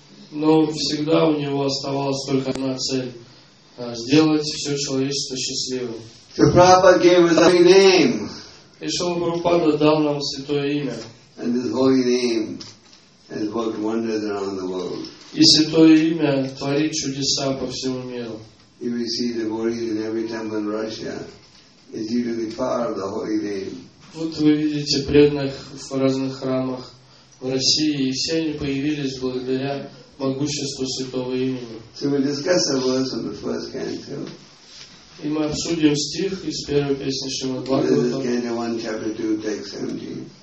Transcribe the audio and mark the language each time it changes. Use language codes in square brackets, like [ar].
[ru] Но всегда у него оставалась только одна цель — сделать все человечество счастливым. [en] So Prabhupada gave us a holy name. [ru] И Шрила Прабхупада дал нам святое имя. [en] And his holy name has worked wonders around the world. [ru] И святое имя творит чудеса по всему миру. [en] If we see the devotees in every temple in Russia, it's due to the power of the holy name. [ru] Вот вы видите преданных в разных храмах в России, и все они появились благодаря могуществу святого имени. [en] So we discuss a verse from the first canto. [ru] И мы обсудим стих из первой песни Шримад Бхагаватам. [en] This is canto 1, chapter 2, text 17.